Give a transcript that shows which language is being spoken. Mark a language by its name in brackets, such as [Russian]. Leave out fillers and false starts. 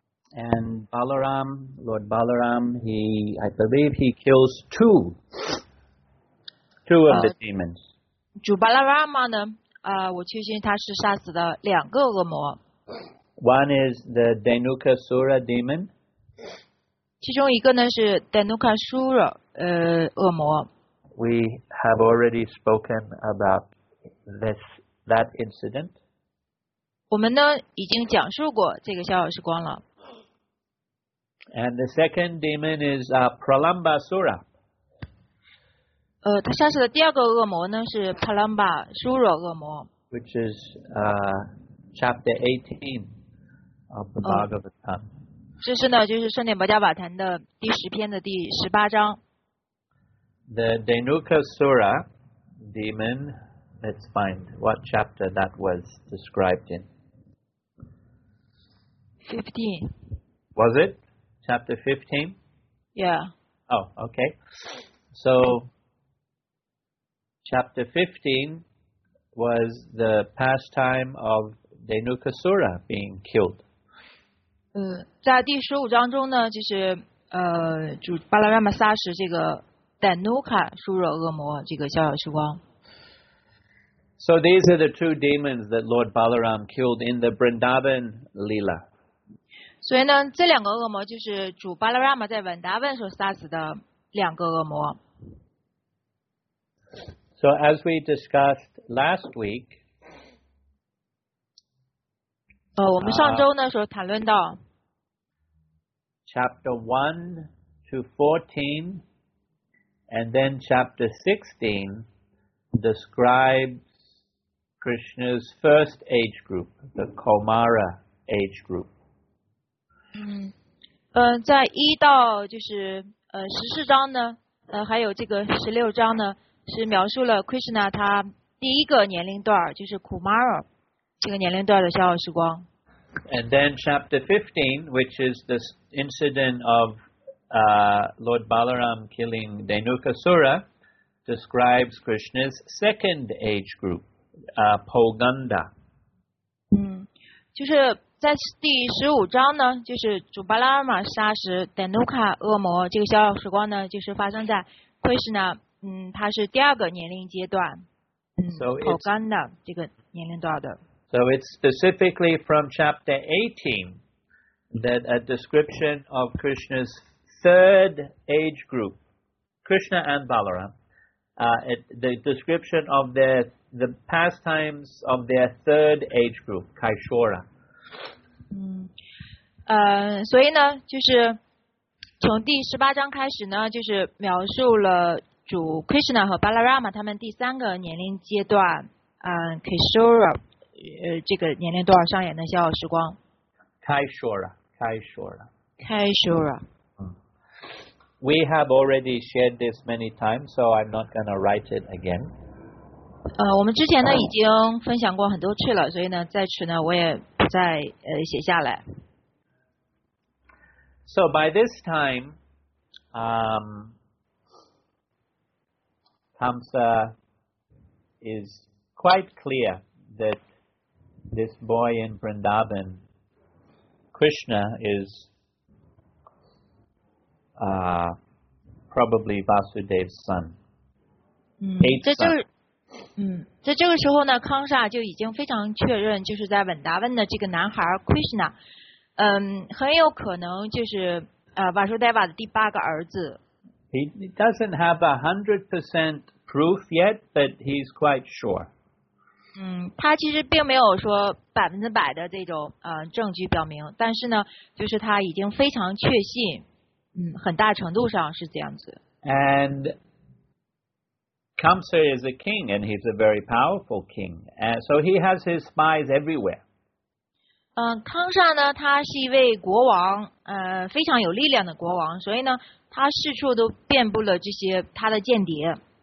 [English] And Balaram, Lord Balaram, I believe he kills two of the demons. [Chinese] 主巴拉拉玛呢？我确信他是杀死了两个恶魔。 [English] One is the Dhenukasura demon. [Chinese] 其中一个呢是 Dhenukasura。恶魔。 [English] We have already spoken about that incident. [Chinese] 我们呢已经讲述过这个逍遥时光了。 [English] And the second demon is Pralambasura. [Chinese] 他杀死的第二个恶魔呢是 Pralambasura 恶魔。 [English] Which is chapter 18 of the Bhagavatam. [Chinese] 这是呢就是圣殿薄伽瓦坛的第十篇的第十八章。 [English] The Dhenukasura demon let's find what chapter that was described in. 15. Was it? Chapter 15? Yeah. Oh, okay. So, chapter 15 was the pastime of Dhenukasura being killed. [Chinese] 在第十五章中呢，就是就巴拉拉玛杀死这个 Dhenukasura 恶魔这个逍遥时光。 [English] So these are the two demons that Lord Balaram killed in the Vrindavan Leela. [Chinese] 所以呢，这两个恶魔就是主巴拉拉玛在文达文所杀死的两个恶魔。 [English] So as we discussed last week, [Chinese] 我们上周呢所谈论到 [English] chapter 1-14, and then chapter 16 describes Krishna's first age group, the Kaumara age group. [Chinese] 在一到就是十四章呢，还有这个十六章呢。是描述了 Krishna 他第一个年龄段，就是 Kumara 这个年龄段的逍遥时光。 [English] And then chapter 15, which is the incident of Lord Balaram killing Dhenukasura, describes Krishna's second age group, Pauganda. [Chinese] 就是在第十五章呢，就是主巴拉玛杀死 Dhenuka 恶魔这个逍遥时光呢，就是发生在 Krishna。他是第二个年龄阶段，Pauganda 这个年龄段的。 [English] So it's specifically from chapter 18 that a description of Krishna's third age group, Krishna and Balaram, the description of the pastimes of their third age group, Kaishora. [Chinese] 所以呢，就是从第十八章开始呢，就是描述了。主 Krishna 和 Balarama 他们第三个年龄阶段，Kishora 这个年龄段上演的逍遥时光。 [English] Kishora. We have already shared this many times, so I'm not going to write it again. [Chinese] 我们之前呢已经分享过很多次了，所以呢在此呢我也不再写下来。 [English] So by this time, Kamsa is quite clear that this boy in Vrindavan, Krishna, is probably Vasudev's son. [Chinese] 在这个时候呢，康萨就已经非常确认，就是在文达文的这个男孩 Krishna， 很有可能就是Vasudeva 的第八个儿子。 [English] He doesn't have 100% proof yet, but he's quite sure. [Chinese] 他其实并没有说百分之百的这种证据表明，但是呢，就是他已经非常确信，很大程度上是这样子。 [English] And Kamsa is a king, and he's a very powerful king, and so he has his spies everywhere. [Chinese] 康萨呢，他是一位国王，非常有力量的国王，所以呢。他四处都遍布了这些他的间谍。